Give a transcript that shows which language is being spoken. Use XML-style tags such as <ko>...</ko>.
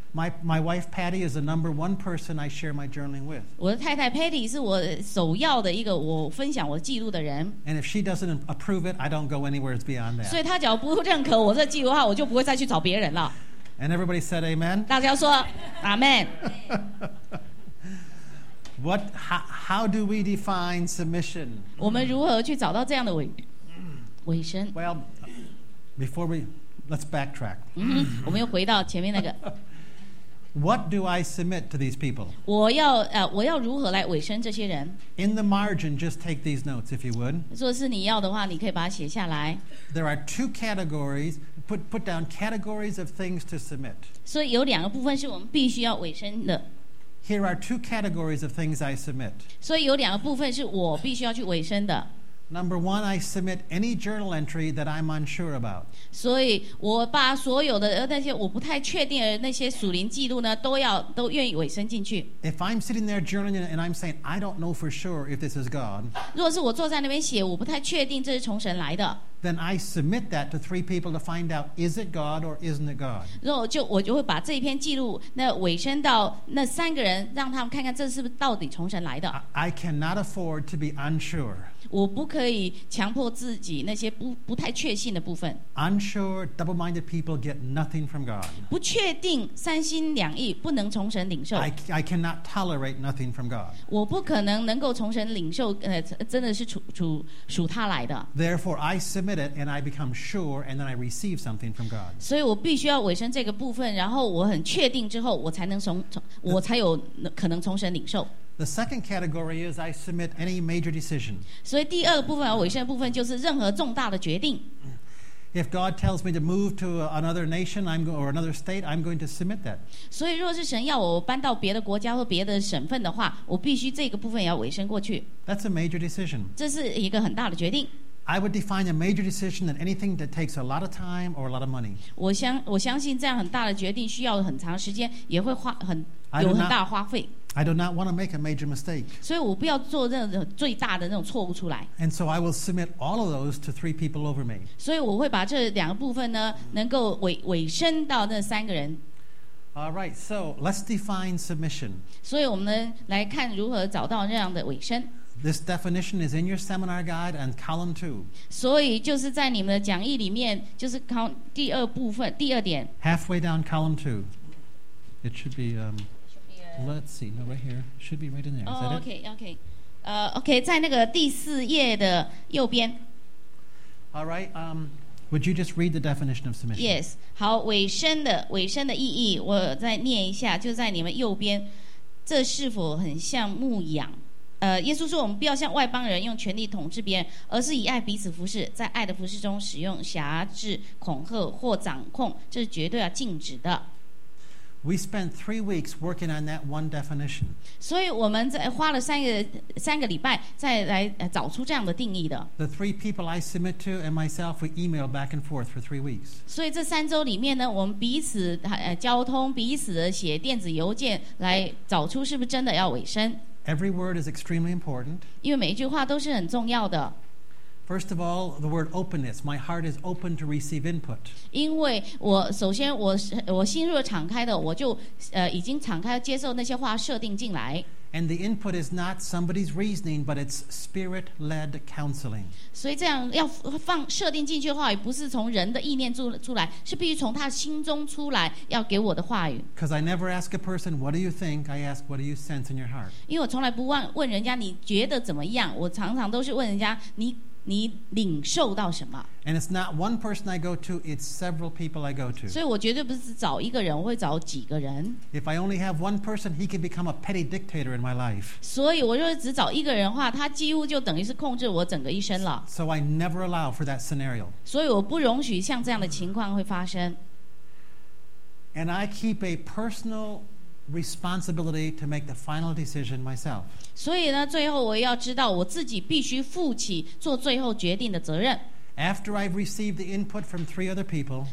<en>My wife Patty is the number one person I share my journaling with.</en> <zh>我的太太 Patty 是我首要的一个我分享我记录的人。</zh> <en>And if she doesn't approve it, I don't go anywhere beyond that.</en> <zh>所以她只要不认可我这记录的话，我就不会再去找别人了。</zh> <en>And everybody said Amen.</en> <zh>大家说 Amen.</zh> <en>What? How do we define submission?</en> <zh>我们如何去找到这样的委身</zh> <en>？Well, before we let's backtrack.</en> <zh>我们又回到前面那个。</zh> <en>What do I submit to these people?</en> <zh>我要如何来委身这些人</zh> <en>？In the margin, just take these notes if you would.</en> <zh>如果是你要的话，你可以把它写下来。</zh> <en>There are two categories. Put down categories of things to submit.</en> <zh>所以有两个部分是我们必须要委身的。</zh> <en>Here are two categories of things I submit.</en> <zh>所以有两个部分是我必须要去委身的。</zh> <en>Number one, I submit any journal entry that I'm unsure about.</en> <zh>所以我把所有的那些我不太确定的那些属灵记录呢，都愿意委身进去。</zh> <en>If I'm sitting there journaling and I'm saying I don't know for sure if this is God.</en> <zh>如果是我坐在那边写，我不太确定这是从神来的。</zh> <en>Then I submit that to three people to find out is it God or isn't it God.</en> <zh>然后我就会把这篇记录那委身到那三个人，让他们看看这是不是到底从神来的。</zh> <en>I cannot afford to be unsure.</en> <zh>我不可以强迫自己那些不太确信的部分。</zh> <en>Unsure, double-minded people get nothing from God.</en> <zh>不确定，三心两意，不能从神领受。</zh> <en>I cannot tolerate nothing from God.</en> <zh>我不可能能够从神领受，真的是属他来的。</zh> <en>Therefore, I submit it and I become sure and then I receive something from God.</en> <zh>所以我必须要委身这个部分，然后我很确定之后，我才有可能从神领受。</zh> <en>The second category is I submit any major decision.</en> <zh>所以第二个部分，委身的部分就是任何重大的决定。</zh> <en>If God tells me to move to another nation, or another state, I'm going to submit that.</en> <zh>所以，若是神要我搬到别的国家或别的省份的话，我必须这个部分也要委身过去。</zh> <en>That's a major decision.</en> <zh>这是一个很大的决定。</zh> <en>I would define a major decision as anything that takes a lot of time or a lot of money.</en> <zh>我相信这样很大的决定需要很长时间，也会有很大的花费。</zh> <en>I do not want to make a major mistake.</en> <zh>所以我不要做任何最大的那种错误出来。</zh> <en>And so I will submit all of those to three people over me.</en> <zh>所以我会把这两个部分呢，能够委身到那三个人。</zh> <en>All right, so let's define submission.</en> <zh>所以我们来看如何找到这样的委身。</zh> <en>This definition is in your seminar guide and column two.</en> <zh>所以就是在你们的讲义里面，就是第二部分第二点。</zh> <en>Halfway down column two, it should be. Let's see. No, right here. Should be right in there. Is that it?</en> <zh>Okay. 在那个第四页的右边。</zh> <en>All right. Would you just read the definition of submission? Yes.</en> <zh>好，委身的意义，我再念一下，就在你们右边。这是否很像牧养？耶稣说我们不要像外邦人用权力统治别人，而是以爱彼此服侍，在爱的服侍中使用辖制、恐吓或掌控，这是绝对要禁止的。</zh> <en>We spent 3 weeks working on that one definition.</en> <zh>所以我们在花了三个礼拜再来找出这样的定义的。</zh> <en>The three people I submit to and myself, we email back and forth for 3 weeks.</en> <zh>所以这三周里面呢，我们彼此交通，彼此写电子邮件来找出是不是真的要委身。</zh> <en>Every word is extremely important.</en> <zh>因为每一句话都是很重要的。</zh> <en>First of all, the word openness. My heart is open to receive input.</en> <zh>因为我首先我心若敞开的，我就已经敞开接受那些话设定进来。</zh> <en>And the input is not somebody's reasoning, but it's spirit-led counseling.</en> <zh>所以这样要放设定进去的话语，不是从人的意念出来，是必须从他心中出来要给我的话语。</zh> <en>Because I never ask a person, what do you think? I ask, what do you sense in your heart? 因为我从来不问人家你觉得怎么样，我常常都是问人家你。</en> <zh>你领受到什么？</zh> <en>And it's not one person I go to, it's several people I go to.</en> <zh>所以我绝对不是找一个人，我会找几个人。</zh> <en>If I only have one person, he can become a petty dictator in my life.</en> <zh>所以我如果只找一个人的话，他几乎就等于是控制我整个一生了。</zh> <en>So I never allow for that scenario.</en> <zh>所以我不容许像这样的情况会发生。</zh> <en>And I keep a personal responsibility to make the final decision myself.</en> <zh>所以呢，最后我要知道我自己必须负起做最后决定的责任。</zh> <en>After I've received the input from three other people,</en>